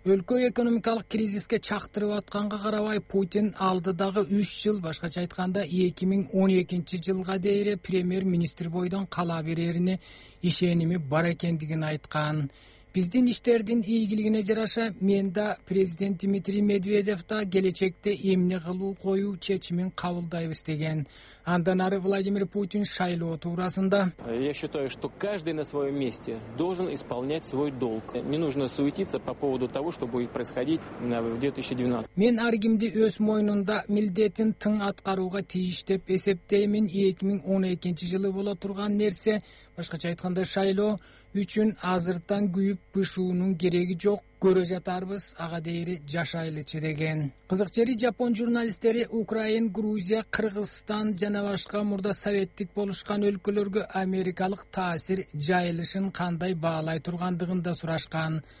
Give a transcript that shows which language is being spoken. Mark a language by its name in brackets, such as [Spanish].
[Kyrgyz] Өлкө экономикалык кризиске чактырып атканга карабай, Путин алдыдагы 3 жыл, башкача айтканда 2012 жылга дейин премьер-министр бойдон кала берерине ишеними бар экендигин айткан. Биздин иштердин ийгилигине жараша менде президент Дмитрий Медведев да келечекте эмне кылуу коюу чечимин кабылдайбыз деген. Андан ары Владимир Путин шайлоо туурасында: [Russian] Я считаю, что каждый на своем месте должен исполнять свой долг. Не нужно суетиться по поводу того, что будет происходить в 2012. [Kyrgyz] Мен ар кимди өз мойнунда милдетин тың аткарууга тийиш деп эсептеймин. 2012 жылы боло турган нерсе, башкача айтканда шайлоо үчүн азыртан күйүп бышуунун кереги жок, көрө жатарбыз, ага дейри жашайлычы деген. Кызык жери, жапон журналисттери Украин, Грузия, Кыргызстан жана башка мурда советтик болушкан өлкөлөргө америкалык таасир жайылышын кандай баалай тургандыгын да сурашкан.